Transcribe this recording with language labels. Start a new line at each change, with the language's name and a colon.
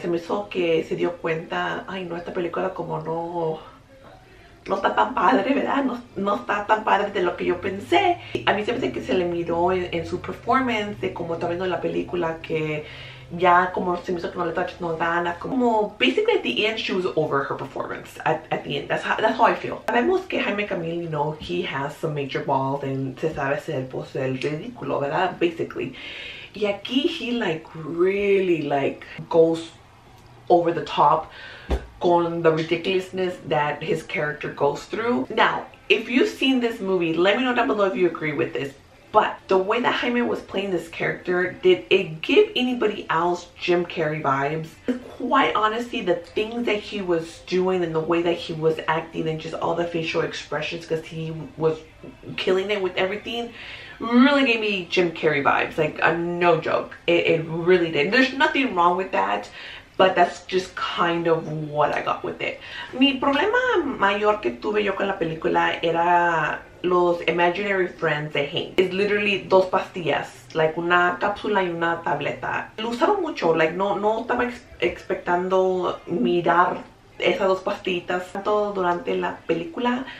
Spanish: Se me hizo que se dio cuenta, ay no, esta película como no está tan padre, ¿verdad? No está tan padre de lo que yo pensé. A mí se me hace que se le miró en su performance, de como está viendo la película, que ya como se me hizo que no le está echando ganas.
English: Como, basically at the end, she was over her performance. At the end, that's how I feel.
Spanish: Sabemos que Jaime Camil,
English: you know, he has some major balls and
Spanish: se sabe ser, pues, el ridículo, ¿verdad? Basically. Y aquí,
English: he like really like goes over the top
Spanish: con
English: the ridiculousness that his character goes through. Now, if you've seen this movie, let me know down below if you agree with this. But the way that Jaime was playing this character, did it give anybody else Jim Carrey vibes? Quite honestly, the things that he was doing and the way that he was acting and just all the facial expressions, because he was killing it with everything, really gave me Jim Carrey vibes. Like, no joke. It really did. There's nothing wrong with that, but that's just kind of what I got with it.
Spanish: Mi problema mayor que tuve yo con la película era los
English: imaginary friends
Spanish: de Hank.
English: It's literally
Spanish: dos pastillas, like una cápsula y una tableta. Lo usaron mucho, like no estaba expectando mirar esas dos pastillitas todo durante la película.